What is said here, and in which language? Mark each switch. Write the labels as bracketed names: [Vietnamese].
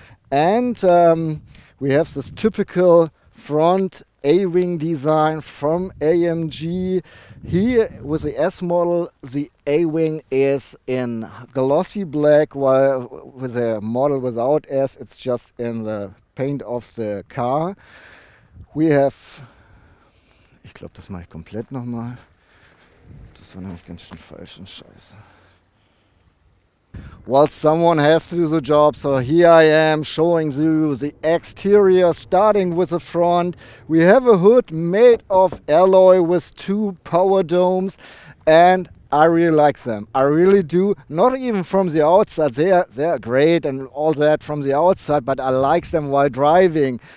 [English] And we have this typical front A-wing design from AMG. Here with the S model, the A-wing is in glossy black, while with the model without S, it's just in the paint of the car. We have, [German] ich glaube, das mache ich komplett nochmal. Das war nämlich ganz schön falsch und scheiße. [English] Well, someone has to do the job, so here I am showing you the exterior, starting with the front. We have a hood made of alloy with two power domes, and I really like them. I really do. Not even from the outside. They are great and all that from the outside, but I like them while driving.